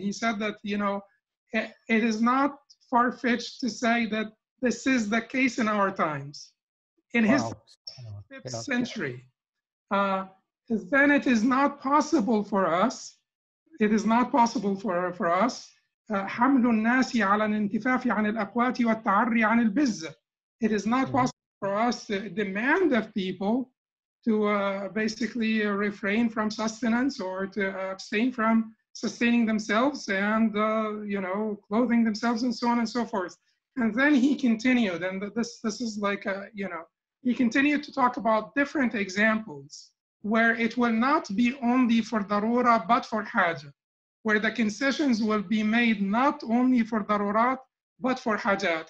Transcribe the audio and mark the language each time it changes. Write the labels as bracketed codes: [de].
[en] He said that, you know, it is not far-fetched to say that this is the case in our times, in wow. his fifth yeah. century. Then it is not possible for us. It is not possible for us. [ar] حمل الناس على الانتفاف عن الأقوات والتعري عن البز. [en] It is not possible for us to demand of people to basically refrain from sustenance or to abstain from sustaining themselves and, you know, clothing themselves and so on and so forth. And then he continued, and this is like, he continued to talk about different examples where it will not be only for darura, but for hajjah, where the concessions will be made not only for darurat, but for hajjat.